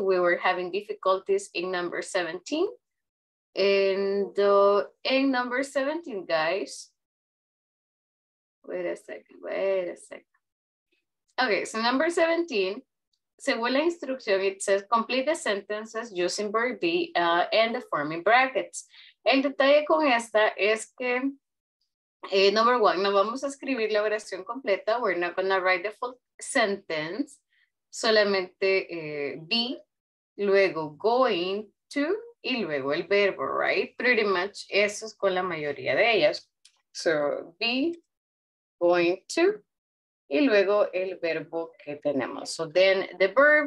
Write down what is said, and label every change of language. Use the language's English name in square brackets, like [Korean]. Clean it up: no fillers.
[English] We were having difficulties in number 17. And in number 17, guys. Wait a second. Okay, so number 17. [Spanish] Según la instrucción, [English] it says complete the sentences using verb be and the form in brackets. [Spanish] El detalle con esta es que, [English] number one, [Spanish] no vamos a escribir la oración completa. [English] We're not going to write the full sentence. [Spanish] Solamente be, luego going to, y luego el verbo, right? Pretty much eso es con la mayoría de ellas. [English] So be, going to, [Spanish] y luego el verbo que tenemos. [English] So then the verb